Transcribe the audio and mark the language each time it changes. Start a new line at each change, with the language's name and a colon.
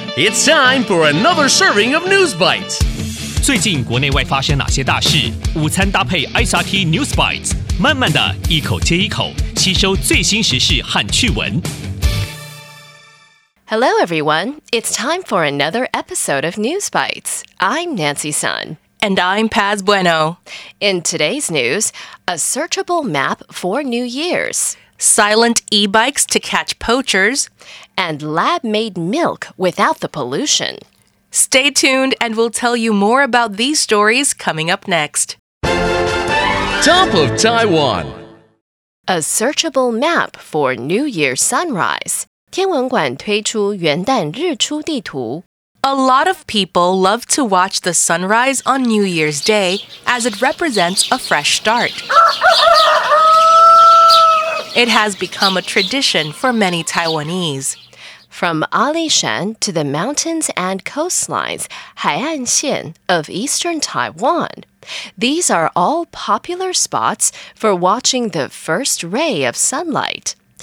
English: It's time for another serving of News Bites.
Chinese: 最近国内外发生哪些大事？午餐搭配 SRT News Bites， 慢慢的一口接一口，吸收最新时事和趣闻。
English: Hello, everyone. It's time for another episode of News Bites. I'm Nancy Sun. And I'm Paz Bueno. In today's news, a searchable map for New Year's. Silent e-bikes to catch poachers. And lab-made milk without the pollution. Stay tuned and we'll tell you more about these stories coming up next. Top of Taiwan. A searchable map for New Year's sunrise.
Chinese: 天文馆推出元旦日出地图。
English: A lot of people love to watch the sunrise on New Year's Day as it represents a fresh start. It has become a tradition for many Taiwanese. From Alishan to the mountains and coastlines, 海岸线 of eastern Taiwan, these are all popular spots for watching the first ray of sunlight.